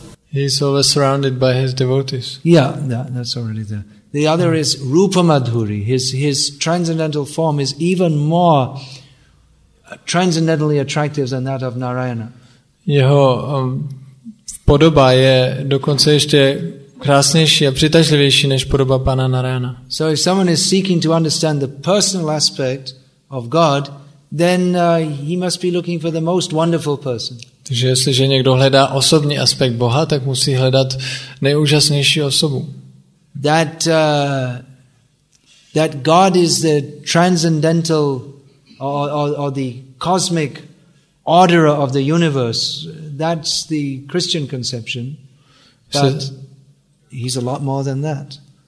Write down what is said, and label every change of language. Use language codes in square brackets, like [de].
[en] He's always surrounded by his devotees. Yeah, that's already there. The other is Rupa Madhuri. His transcendental form is even more transcendentally attractive than that of Narayana. [cs] Jeho podoba je dokonce ještě krásnější a přitažlivější než podoba pana Narayana. [en] So if someone is seeking to understand the personal aspect of God, then he must be looking for the most wonderful person. [cs] Takže jestliže někdo hledá osobní aspekt Boha, tak musí hledat nejúžasnější osobu. [en] That God is the transcendental or the cosmic order of the universe, that's the Christian conception, but he's a lot more than that.